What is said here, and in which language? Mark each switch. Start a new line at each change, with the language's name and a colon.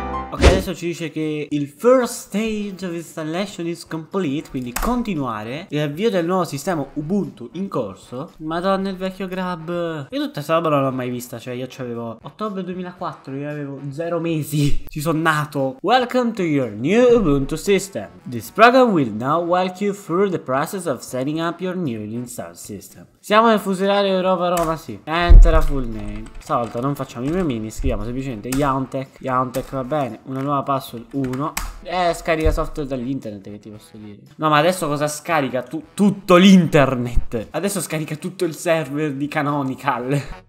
Italian: Ok, adesso ci dice che il
English: first stage of installation is complete,
Italian: quindi continuare. L'avvio del nuovo sistema Ubuntu in corso. Madonna, il vecchio grab. Io tutta questa roba non l'ho mai vista, cioè io c'avevo ottobre 2004, io avevo 0 mesi. Ci sono nato.
English: Welcome to your new Ubuntu system. This program will now walk you through the process of setting up your new install system.
Italian: Siamo nel fusilario Europa Roma, sì.
English: Enter a full name.
Italian: Stavolta non facciamo i memini, scriviamo semplicemente Yantech. Yantech va bene. Una nuova password 1. Scarica software dall'internet, che ti posso dire. No, ma adesso cosa scarica? Tutto l'internet. Adesso scarica tutto il server di Canonical.